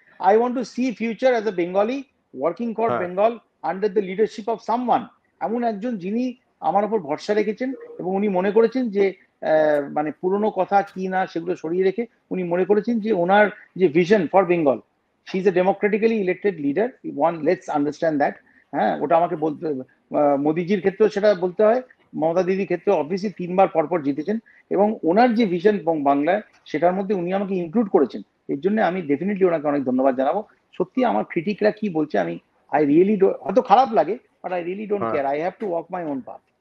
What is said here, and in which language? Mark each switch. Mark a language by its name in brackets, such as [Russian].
[English] I want to see future as a Bengali working for Bengal under the leadership of someone, [Bangla] এমন একজন যিনি আমার উপর ভরসা রেখেছেন এবং উনি মনে করেছেন যে মানে পুরনো কথা কি না সেগুলো সরিয়ে রেখে উনি মনে করেছেন যে ওনার যে vision for Bengal [English] She's a democratically elected leader. One, let's understand that. [Bangla] ওটা আমাকে বলতে মোদিজির ক্ষেত্রে সেটা বলতে হয়, মমতা দিদির ক্ষেত্রে অবভিয়াসলি তিনবার পরপর জিতেছেন, এবং ওনার যে ভিশন বাংলায় সেটার মধ্যে উনি আমাকে ইনক্লুড করেছেন, এর জন্য আমি ডেফিনেটলি ওনাকে অনেক ধন্যবাদ জানাবো। সত্যি আমার ক্রিটিকরা কি বলছে আমি [English] I really don't, [Bangla] হয়তো খারাপ লাগে, [English] But I really don't care, I have to walk my own path.